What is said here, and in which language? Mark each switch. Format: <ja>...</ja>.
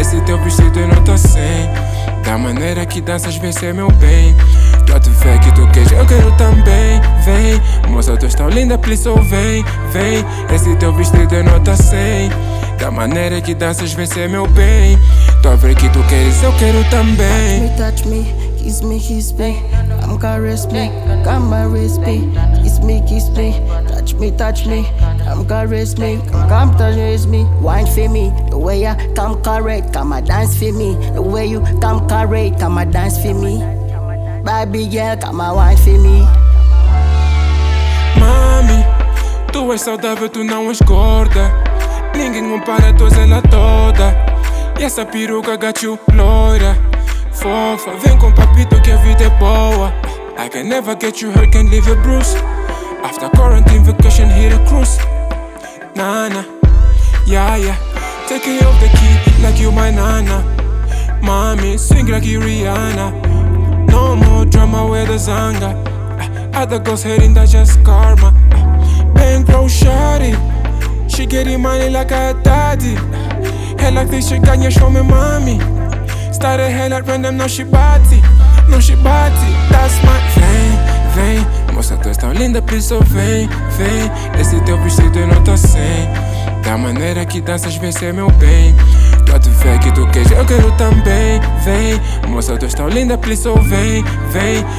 <pt>Esse teu vestido é nota 100. Da maneira que danças, vem ser meu bem. Tu a te vê que tu queres, eu quero também. Vem, moça, tu és tão linda, por isso vem, vem. Esse teu vestido é nota 100. Da maneira que danças, vem ser meu bem. Tu a ver que tu queres, eu quero também.</pt> <en>Touch me, kiss me, kiss me. Come caress me, come and raise me. Kiss me, kiss me, touch me, touch me. Come caress me, come touch me, me. Wine for me, the way you come correct. Come and dance for me, the way you come correct. Come and dance for me. Baby girl, come and wine for me.</en> <pt>Mami, tu és saudável, tu não és gorda. Ninguém compara, tu és ela toda. E essa peruca</pt> <en>got you</en> <pt>loira. Fofa, vem com papito que a vida é boa.</pt> <en>I can never get you hurt, can't leave you bruised. After quarantine vacation, hit a cruise. Nana, yeah, yeah. Take care of the key, like you my nana. Mommy, sing like you Rihanna. No more drama with the zanga. Other girls hating, that's just karma. Bankroll shawty. She getting money like a daddy. Hey, like this, she ganha, show me mommy. Started hell at random, no she bati. No she bati, that's my.</en> <pt>Vem, vem, moça, tu és tão linda, por isso vem, vem. Esse teu vestido é nota 100. Da maneira que danças, vem ser meu bem. Tu a te vê que tu queres, eu quero também. Vem, moça, tu és tão linda, por isso vem, vem.</pt>